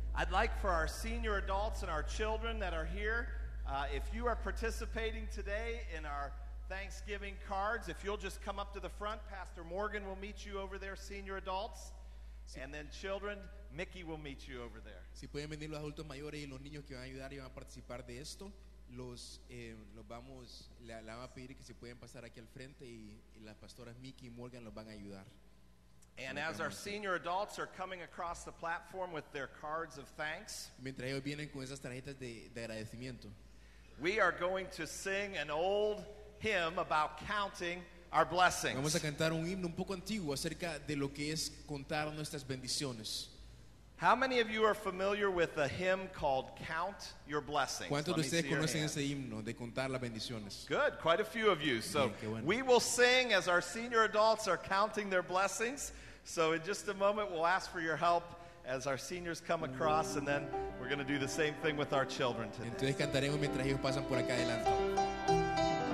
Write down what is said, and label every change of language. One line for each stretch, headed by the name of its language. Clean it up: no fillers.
English: I'd like for our senior adults and our children that are here, if you are participating today in our Thanksgiving cards, if you'll just come up to the front, Pastor Morgan will meet you over there, senior adults.
Spanish: Sí.
English: And then children, Mickey will meet you over there.
Spanish: Si pueden venir los adultos mayores y los niños que van a ayudar y van a participar de esto, la van a pedir que se pueden pasar aquí al frente y las pastoras Mickey y Morgan los van a ayudar.
English: And as our senior adults are coming across the platform with their cards of thanks,
Spanish: mientras ellos vienen con esas tarjetas de agradecimiento,
English: we are going to sing an old hymn about counting our blessings.
Spanish: Vamos a cantar un himno un poco antiguo acerca de lo que es contar nuestras bendiciones.
English: How many of you are familiar with a hymn called Count Your Blessings?
Spanish: ¿Cuántos de ustedes conocen ese himno de contar las bendiciones?
English: Good, quite a few of you. So
Spanish: bien, bueno.
English: We will sing as our senior adults are counting their blessings. So in just a moment we'll ask for your help as our seniors come across, and then we're going to do the same thing with our children today.
Spanish: Entonces cantaremos mientras ellos pasan por acá adelante.